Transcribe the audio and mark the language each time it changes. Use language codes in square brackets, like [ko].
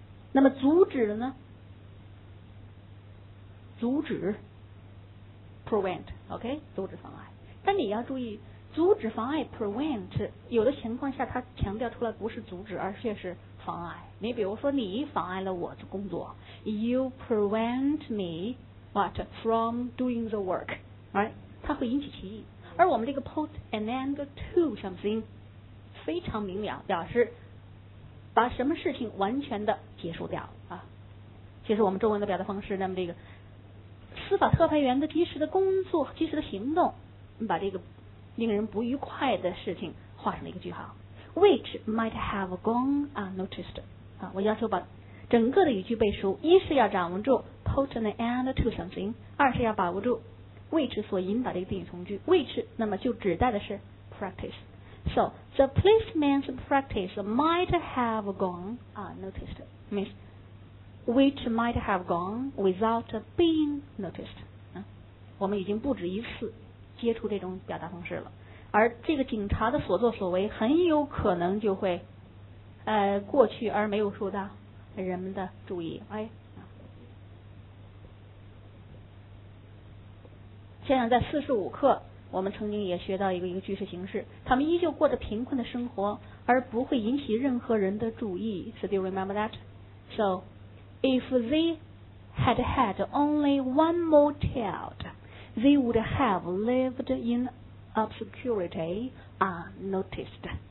[zh] 那么阻止呢？阻止 ，prevent. OK. 阻止妨碍。但你要注意，阻止妨碍 prevent 有的情况下它强调出来不是阻止，而且是妨碍。你比如说，你妨碍了我的工作 [en] ，You prevent me what from doing the work, right? [zh] 它会引起歧义。而我们这个 [en] put an end to something [zh] 非常明了，表示把什么事情完全的结束掉啊。其实我们中文的表达方式，那么这个司法特派员的及时的工作、及时的行动，把这个令人不愉快的事情画上了一个句号。 [en] Which might have gone unnoticed. [zh] 啊，我要求把整个的语句背熟，一是要掌握住 [en] put an end to something， [zh] 二是要把握住 which 所引导的一个定语从句。 Which 那么就指代的是 practice。 [en] So the policeman's practice might have gone unnoticed. Miss, which might have gone without being noticed. [zh] 啊，我们已经不止一次接触这种表达方式了。而这个警察的所作所为很有可能就会过去而没有受到人们的注意。哎，想想在45课我们曾经也学到一个句式形式，他们依旧过着贫困的生活而不会引起任何人的注意。 [en] So do you remember that? So if they had had only one more child they would have lived inobscurity unnoticed.